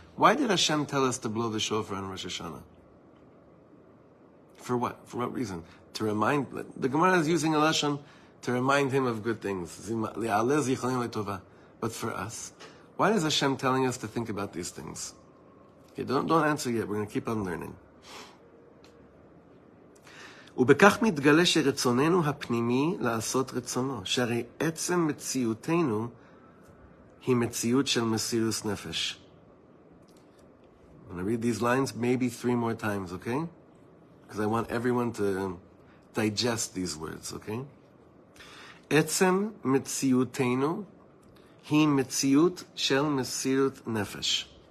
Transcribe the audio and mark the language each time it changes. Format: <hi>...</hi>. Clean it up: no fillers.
<en>Why did Hashem tell us to blow the shofar on Rosh Hashanah? For what? For what reason? To remind, the Gemara is using a lashon to remind him of good things. But for us, why is Hashem telling us to think about these things? Okay, don't answer yet. We're going to keep on learning.</en> <he>ובכך מתגלה שרצוננו הפנימי לעשות רצונו, שהרי עצם מציאותנו היא מציאות של מסירות נפש.</he> <en>I'm going to read these lines maybe 3 more times, okay? Because I want everyone to digest these words, okay?</en> <he>עצם מציאותנו היא מציאות של מסירות נפש.</he>